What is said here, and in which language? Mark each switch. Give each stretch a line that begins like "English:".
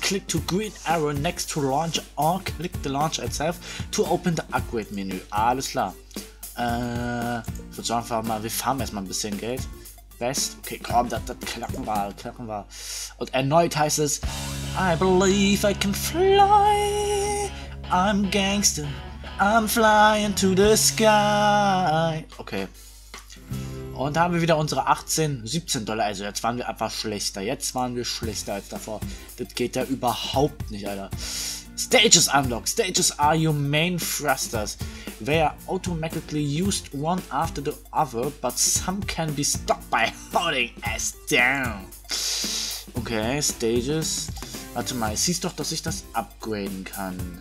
English: Click to green arrow next to launch or click the launch itself to open the upgrade menu.
German: Alles klar. Ich würde sagen, wir farmen erstmal ein bisschen Geld. Best. Okay, komm, das klappen wir. Und erneut heißt es:
English: I believe I can fly. I'm gangster. I'm flying to the sky. Okay.
German: Und da haben wir wieder unsere $17. Also jetzt waren wir einfach schlechter. Jetzt waren wir schlechter als davor. Das geht ja überhaupt nicht, Alter.
English: Stages unlock. Stages are your main thrusters. They are automatically used one after the other, but some can be stopped by holding S down.
German: Okay, Stages. Warte mal, siehst doch, dass ich das upgraden kann.